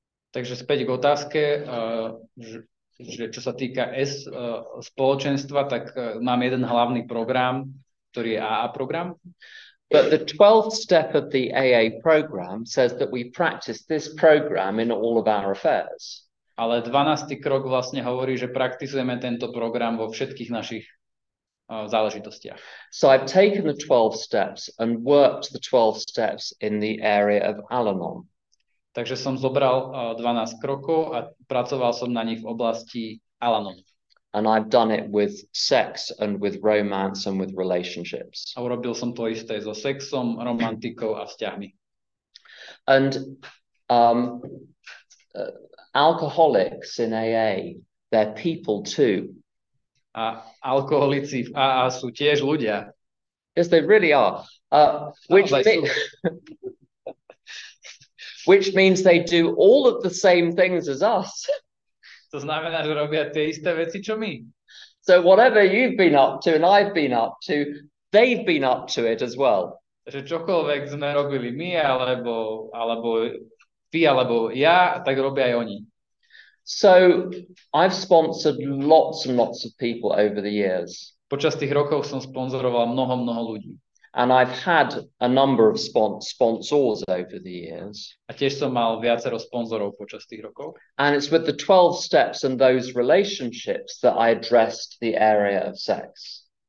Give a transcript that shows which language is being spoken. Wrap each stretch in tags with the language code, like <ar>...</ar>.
<sk>Takže späť k otázke, že čo sa týka S spoločenstva, tak mám jeden hlavný program, ktorý je AA program.</sk> <en>But the 12th step of the AA program says that we practice this program in all of our affairs.</en> <sk>Ale 12. krok vlastne hovorí, že praktizujeme tento program vo všetkých našich záležitostiach.</sk> <en>So I've taken the 12 steps and worked the 12 steps in the area of Al-Anon.</en> <sk>Takže som zobral 12 krokov a pracoval som na nich v oblasti Al-Anon.</sk> <en>And I've done it with sex and with romance and with relationships.</en> <sk>A urobil som to isté so sexom, romantikou a vzťahmi.</sk> <en>And alcoholics in AA, they're people too.</en> <sk>A alkoholici v AA sú tiež ľudia.</sk> <en>Yes, they really are. Which means they do all of the same things as us.</en> <sk>To znamená, že robia tie isté veci, čo my.</sk> <en>So whatever you've been up to and I've been up to, they've been up to it as well.</en> <sk>Že čokoľvek sme robili my, alebo ty, alebo ja, tak robia aj oni.</sk> <en>So I've sponsored lots and lots of people over the years.</en> <sk>Počas tých rokov som sponzoroval mnoho, mnoho ľudí.</sk> <en>And I've had a number of sponsors over the years.</en> <sk>A tiež som mal viacero sponzorov počas tých rokov.</sk> <en>And it's with the 12 steps and those relationships that I addressed the area of sex.</en>